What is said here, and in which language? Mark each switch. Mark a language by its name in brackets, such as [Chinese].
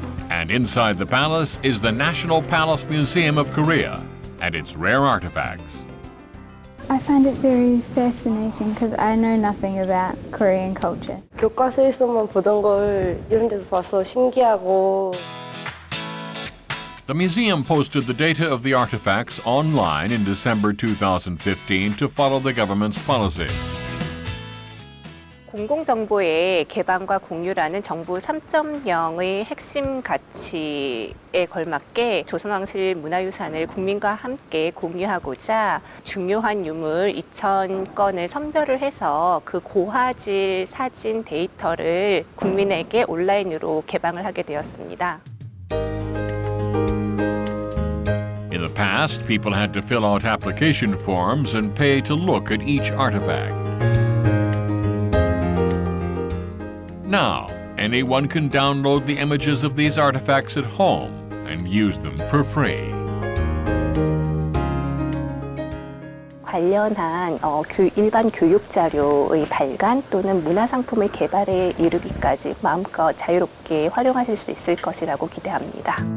[English] And inside the palace is the National Palace Museum of Korea and its rare artifacts. I find it very fascinating because I know nothing about Korean culture. [Korean] 교과서에서만 보던 걸 이런 데서 봐서 신기하고. [English] The museum posted the data of the artifacts online in December 2015 to follow the government's policy. [Korean] 공공정보의 개방과 공유라는 정부 3.0의 핵심 가치에 걸맞게 조선왕실 문화유산을 국민과 함께 공유하고자 중요한 유물 2,000건을 선별을 해서 그 고화질 사진 데이터를 국민에게 온라인으로 개방을 하게 되었습니다. [English] In the past, people had to fill out application forms and pay to look at each artifact. Now, anyone can download the images of these artifacts at home and use them for free. [Korean] 관련한 일반 교육 자료의 발간 또는 문화 상품의 개발에 이르기까지 마음껏 자유롭게 활용하실 수 있을 것이라고 기대합니다.